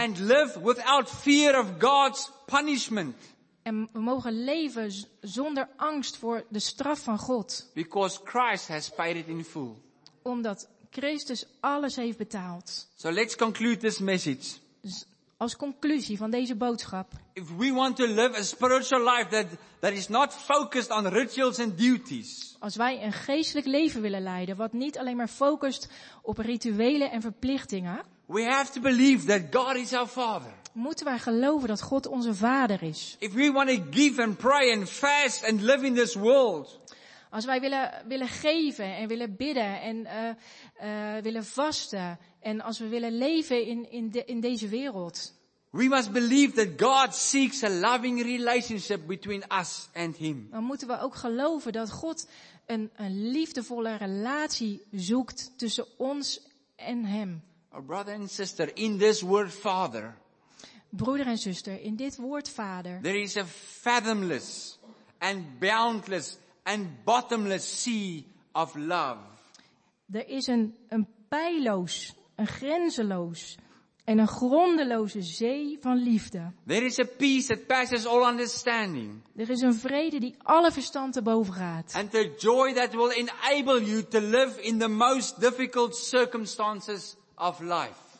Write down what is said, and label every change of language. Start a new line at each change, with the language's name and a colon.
English: And live without fear of God's punishment.
Dutch: En we mogen leven zonder angst voor de straf van God.
English: Because Christ has paid it in full.
Dutch: Omdat Christus alles heeft betaald.
English: So let's conclude this message.
Dutch: Dus als conclusie van deze boodschap.
English: If we want to live a spiritual life that is not focused on rituals and duties.
Dutch: Als wij een geestelijk leven willen leiden wat niet alleen maar focust op rituelen en verplichtingen.
English: We have to believe that God is our Father.
Dutch: Moeten wij geloven dat God onze Vader is?
English: If we want to give and pray and fast and live in this world.
Dutch: Als wij willen geven en willen bidden en willen vasten en als we willen leven in deze wereld.
English: We must believe that God seeks a loving relationship between us and Him.
Dutch: Dan moeten we ook geloven dat God een liefdevolle relatie zoekt tussen ons en Hem.
English: Our brother and sister, in this word Father.
Dutch: Broeder en zuster, in dit woord Vader.
English: There is a fathomless and boundless and bottomless sea of love.
Dutch: Er is een pijloos, een grenzeloos en een grondeloze zee van liefde.
English: There is a peace that passes all understanding.
Dutch: Er is een vrede die alle verstand te boven gaat.
English: And the joy that will enable you to live in the most difficult circumstances of life.